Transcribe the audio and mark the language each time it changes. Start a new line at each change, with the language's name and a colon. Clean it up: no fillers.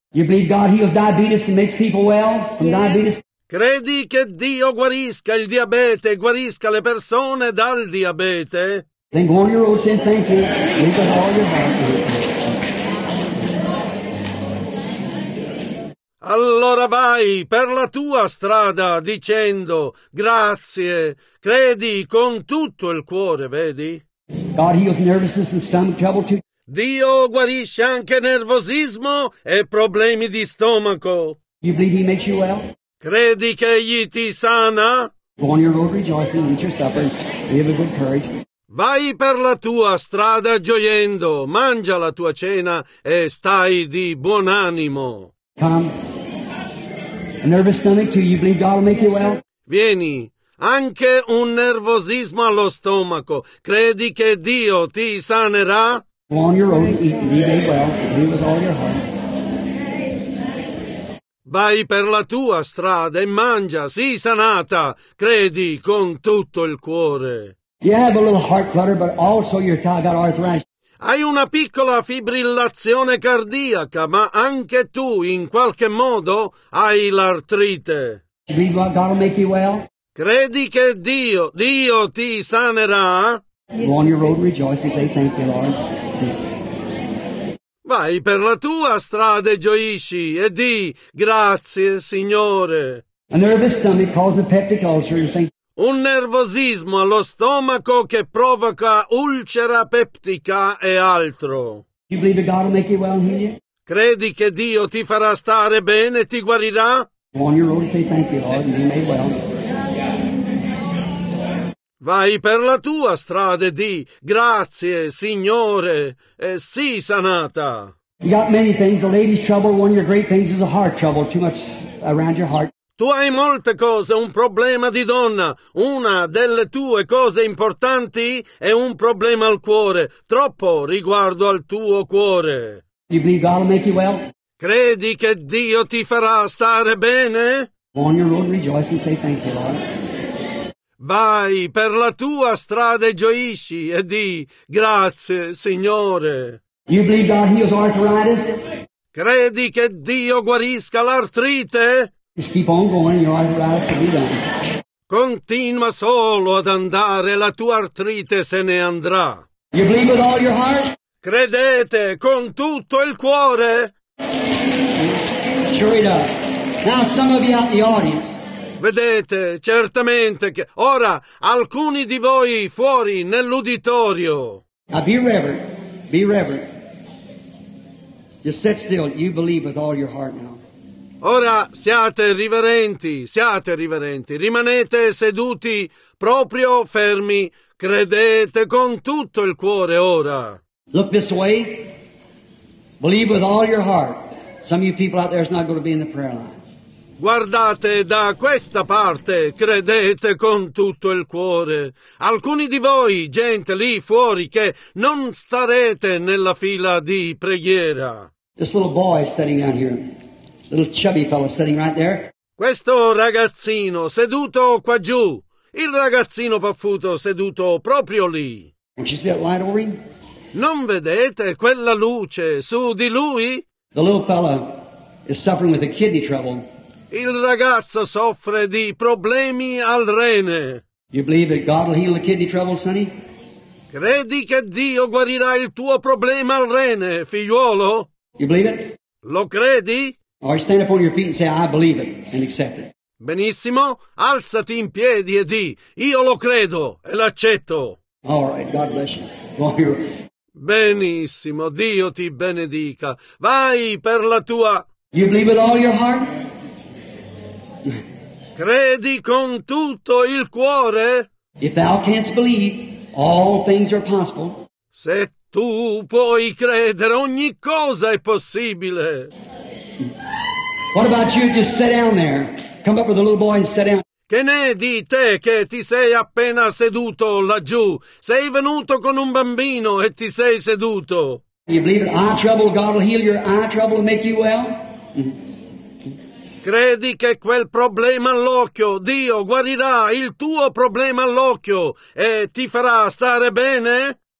English: You believe God heals diabetes and makes people well from diabetes?
Italian: Credi che Dio guarisca il diabete e guarisca le persone dal diabete?
English: Then go on your road saying thank you. Leave it all your heart.
Italian: Allora vai per la tua strada dicendo grazie. Credi con tutto il cuore, vedi?
English: God heals nervousness and stomach trouble too.
Italian: Dio guarisce anche nervosismo e problemi di stomaco.
English: You believe he makes you well?
Italian: Credi che egli ti sana?
English: Go on your road rejoicing, eat your supper, be of a good courage.
Italian: Vai per la tua strada gioiendo, mangia la tua cena e stai di buon animo.
English: Come. A nervous stomach too, you believe God will make you well?
Italian: Vieni, anche un nervosismo allo stomaco, credi che Dio ti sanerà?
English: Go on your road, eat and be well, be with all your heart.
Italian: Vai per la tua strada e mangia, sii sanata, credi con tutto il cuore.
English: You have a little heart flutter, but also your thigh got arthritis.
Italian: Hai una piccola fibrillazione cardiaca, ma anche tu, in qualche modo, hai l'artrite.
English: Believe what God will make you well?
Italian: Credi che Dio ti sanerà?
English: Go on your road, rejoice and say thank you, Lord.
Italian: Vai per la tua strada e gioisci e di grazie, Signore.
English: A nervous stomach causes a peptic ulcer.
Italian: Un nervosismo allo stomaco che provoca ulcera peptica e altro.
English: You believe that God will make you well and heal you?
Italian: Credi che Dio ti farà stare bene e ti guarirà?
English: On your road and say thank you, Lord, and be made well.
Italian: Vai per la tua strada e di grazie, Signore, e sii sanata.
English: You got many things. The lady's trouble, one of your great things is a heart trouble, too much around your heart.
Italian: Tu hai molte cose, un problema di donna. Una delle tue cose importanti è un problema al cuore, troppo riguardo al tuo cuore.
English: You believe God will make you well?
Italian: Credi che Dio ti farà stare bene?
English: On your road, rejoice and say thank you, Lord.
Italian: Vai per la tua strada e gioisci e di grazie, Signore.
English: You believe God heals arthritis?
Italian: Credi che Dio guarisca l'artrite?
English: Just keep on going, your arthritis will be done.
Italian: Continua solo ad andare, la tua artrite se ne andrà.
English: You believe with all your heart?
Italian: Credete con tutto il cuore?
English: Sure he does. Now some of you out in the audience.
Italian: Vedete, certamente che... Ora, alcuni di voi fuori nell'uditorio.
English: Now be reverent, be reverent. Just sit still, you believe with all your heart now.
Italian: Ora siate riverenti, rimanete seduti proprio fermi, credete con tutto il cuore ora.
English: Look this way, believe with all your heart. Some of you people out there is not going to be in the prayer line.
Italian: Guardate da questa parte, credete con tutto il cuore. Alcuni di voi, gente lì fuori, che non starete nella fila di preghiera.
English: This little boy sitting down here. Little chubby fellow sitting right there.
Italian: Questo ragazzino seduto qua giù, il ragazzino paffuto seduto proprio lì.
English: Don't you see that light over him?
Italian: Non vedete quella luce su di lui?
English: The little fellow is suffering with a kidney trouble.
Italian: Il ragazzo soffre di problemi al rene.
English: You believe that God will heal the kidney trouble, sonny?
Italian: Credi che Dio guarirà il tuo problema al rene, figliuolo?
English: You believe it?
Italian: Lo credi?
English: Or stand up on your feet and say, I believe it, and accept it.
Italian: Benissimo, alzati in piedi e di, io lo credo e l'accetto.
English: All right, God bless you. Go on your...
Italian: Benissimo, Dio ti benedica. Vai per la tua...
English: You believe with all your heart?
Italian: Credi con tutto il cuore?
English: If thou canst believe, all things are possible.
Italian: Se tu puoi credere, ogni cosa è possibile.
English: What about you? Just sit down there. Come up with the little boy and sit down.
Italian: Che ne di te che ti sei appena seduto laggiù? Sei venuto con un bambino e ti sei seduto.
English: You believe that eye trouble, God will heal your eye trouble and make you well?
Italian: Credi che quel problema all'occhio, Dio guarirà il tuo problema all'occhio e ti farà stare bene?